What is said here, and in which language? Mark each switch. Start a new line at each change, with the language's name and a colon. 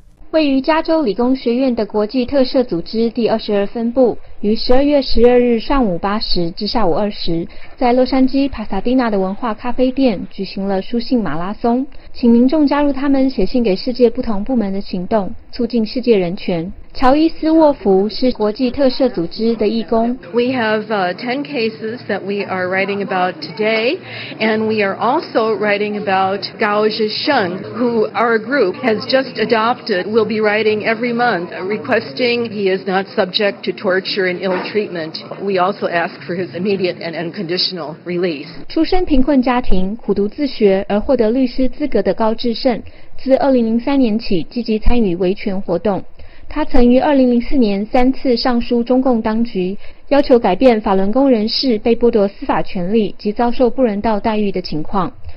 Chinese: 位于加州理工学院的国际特赦组织第22分部于12月12日上午8时至下午2时，在洛杉矶帕萨迪纳的文化咖啡店举行了书信马拉松，请民众加入他们写信给世界不同部门的行动，促进世界人权。乔伊斯·沃福是国际特赦组织的义工。
English: We have 10 cases that we are writing about today, and we are also writing about Gao Zhisheng, who our group has just adopted, will be writing every month, requesting he is not subject to torture and ill treatment. We also ask for his immediate and unconditional release.
Chinese: 出身贫困家庭、苦读自学而获得律师资格的高志胜，自2003年起积极参与维权活动。他曾于2004年3次上书中共当局，要求改变法轮功人士被剥夺司法权利及遭受不人道待遇的情况。